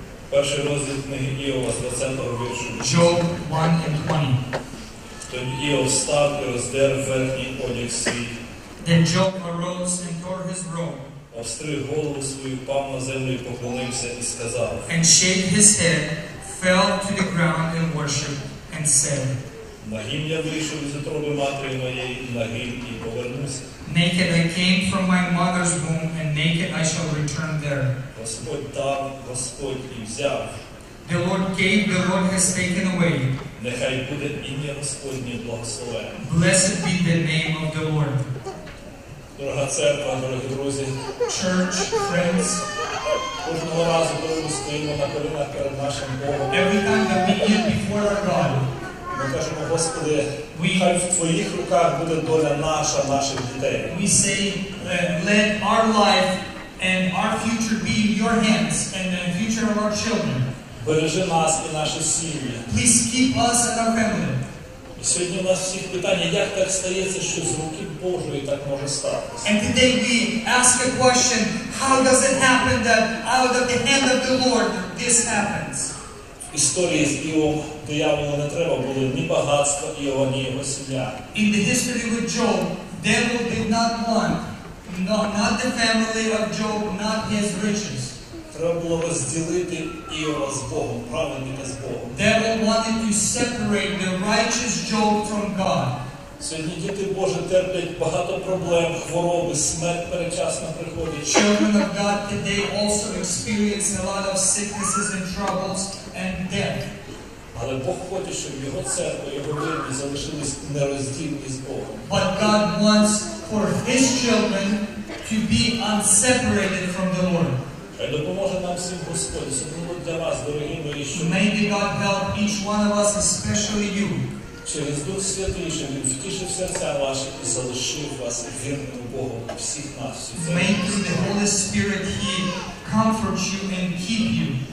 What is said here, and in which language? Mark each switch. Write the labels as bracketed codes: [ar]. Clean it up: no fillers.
[uk] Перший розділ книги Іова з 20-го віршу. [en] Job 1:20. [uk] Тоді Іов встав і роздер верхній одяг свій. [en] Then Job arose and tore his robe. [uk] Обстриг голову свою, впав на землю і поклонився і сказав. [en] And shaved his head, fell to the ground in worship and said. [uk] Нагім я вийшов із утроби матері моєї, нагім і повернуся. [en] Naked I came from my mother's womb, and naked I shall return there. [uk] Господь дав, Господь і взяв. [en] The Lord gave, the Lord has taken away. [uk] Нехай буде ім'я Господнє благословене. [en] Blessed be the name of the Lord. [uk] Дорога церква, дорогі друзі. [en] Church, friends. [uk] Кожного разу, коли ми стоїмо на колінах перед нашим Богом. [en] Every time that we kneel before our God. [uk] Ми кажемо, Господи, хай в Твоїх руках буде доля наша, наших дітей. [en] We say, let our life and our future be in your hands and the future of our children. [uk] Бережи нас і наші сім'ї. [en] Please keep us and our family. [uk] І сьогодні у нас всіх питання, як так стається, що з руки Божої так може статися? [en] And today we ask a question, how does it happen that out of the hand of the Lord this happens? [uk] Історії з Іовом дияволу не треба було ні багатства Іова, ні його сім'я. [en] In the history with Job, devil did not want, not the family of Job, not his riches. [uk] Треба було розділити Іова з Богом, праведника з Богом. [en] Devil wanted to separate the righteous Job from God. [uk] Сьогодні діти Божі терплять багато проблем, хвороби, смерть передчасно приходить. [en] Children of God today also experience a lot of sicknesses and troubles and death. [uk] Але Бог хоче, щоб його церква, його люди залишились нероздільні з Богом. [en] But God wants for his children to be unseparated from the Lord. [uk] Хай допоможе нам всім Господь, особливо для вас, дорогі мої, що... [en] Maybe God help each one of us, especially you. [uk] Через Дух Святий, щоб він втішив серця ваші і залишив вас вірним Богом всіх нас. [en] May the Holy Spirit He comfort you and keep you.